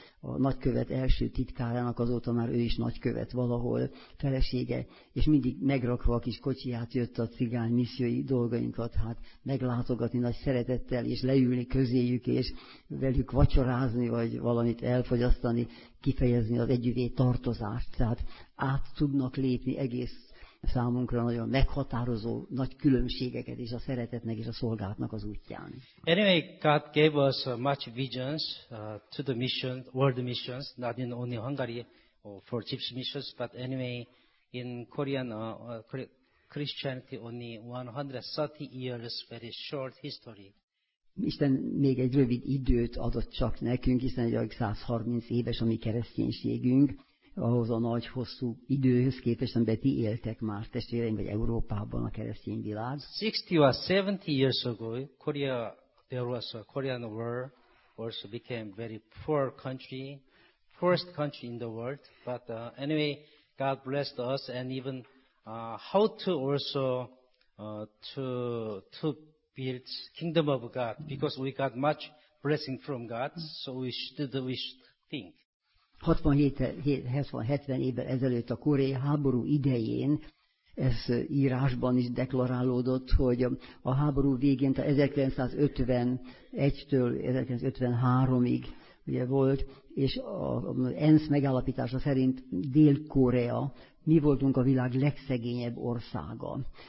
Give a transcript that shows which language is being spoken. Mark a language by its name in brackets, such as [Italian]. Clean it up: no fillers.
[Hungarian] a nagykövet első titkárának, azóta már ő is nagykövet valahol, felesége, és mindig megrakva a kis kocsiját jött a cigány missziói dolgainkat, hát meglátogatni nagy szeretettel, és leülni közéjük, és velük vacsorázni, vagy valamit elfogyasztani, kifejezni az együvé tartozást, tehát át tudnak lépni egész számunkra nagyon meghatározó nagy különbségeket is a szeretetnek és a szolgálatnak az útján. [English] Anyway, God gave us much visions to the mission, world missions, not in only Hungary or for Gypsy missions, but anyway, in Korean Christianity only 130 years, very short history. [Hungarian] Isten még egy rövid időt adott csak nekünk, hiszen egy 130 éves a mi kereszténységünk, ahhoz a nagy, hosszú időhöz képest, amiben ti éltek már, testvéreim, vagy Európában a keresztény világ. [English] 60 or 70 years ago, Korea, there was a Korean War, also became very poor country, poorest country in the world, but anyway, God blessed us, and even how to also to build kingdom of God, because we got much blessing from God, so we should think. [Hungarian] 60-70 évvel ezelőtt a koreai háború idején, ez írásban is deklarálódott, hogy a háború végén, tehát 1951-től 1953-ig ugye volt, és az ENSZ megállapítása szerint Dél-Korea, mi voltunk a világ legszegényebb országa.